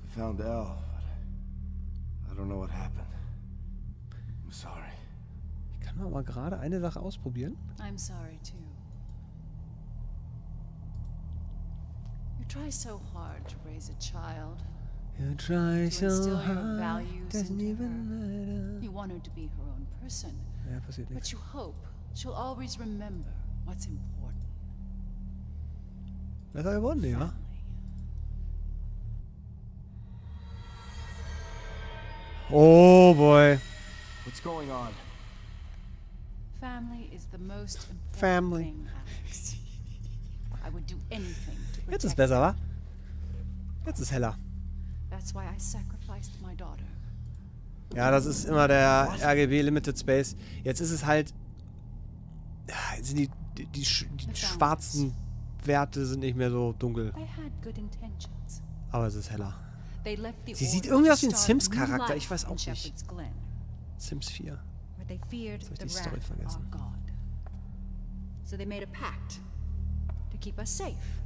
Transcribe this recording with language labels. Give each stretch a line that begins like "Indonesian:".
German: Ich fand Elle, aber ich weiß nicht, was passiert ist. Ich bin sorry. Ich kann mal gerade eine Sache ausprobieren. Ich bin sorry, auch. Du versuchst so hart, ein Kind zu raisen.
English: You try so hard, doesn't even matter. You want her to be her own person.
German: Ja, passiert nichts.
English: But you hope she'll always remember what's important.
German: Das hat er gewonnen, ja.
English: Oh boy. What's going on? Family is the most important family. Thing, Alex. I would do anything to protect
German: Jetzt ist besser, wa? Jetzt ist heller.
English: That's why I sacrificed my daughter.
German: Ja, das ist immer der What? RGB Limited Space. Jetzt ist es halt sind die schwarzen Werte sind nicht mehr so dunkel.
English: I had good intentions.
German: Aber es ist heller. Sie sieht irgendwie aus wie ein Sims-Charakter, ich weiß auch nicht. Sims 4. Jetzt hab ich die Story vergessen.
English: So they made a pact to keep us safe.